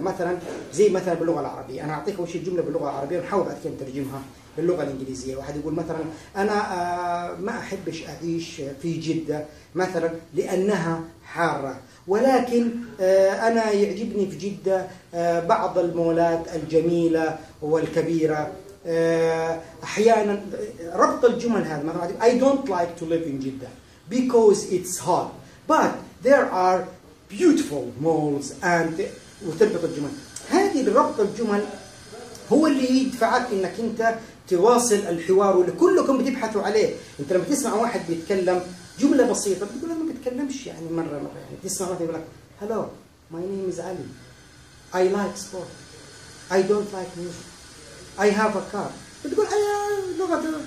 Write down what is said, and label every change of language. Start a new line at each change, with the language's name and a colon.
Arabic: مثلا زي مثلا باللغة العربية، أنا أعطيك أول شيء جملة باللغة العربية ونحاول بعد كذا نترجمها باللغة الإنجليزية. واحد يقول مثلا أنا ما أحبش أعيش في جدة مثلا لأنها حارة، ولكن أنا يعجبني في جدة بعض المولات الجميلة والكبيرة. أحيانا ربط الجمل هذا مثلا واحد يقول
English: I don't like to live in Jeddah because it's hot but there are beautiful malls and
Arabic: وتربط الجمل. هذه ربط الجمل هو اللي يدفعك انك انت تواصل الحوار اللي كلكم بتبحثوا عليه. انت لما تسمع واحد بيتكلم جمله بسيطه بتقول انا ما بتكلمش يعني مره يعني تسمع واحد يقول لك
English: hello my name is Ali, I like sport, I don't like music, I have a car,
Arabic: بتقول اي لغه.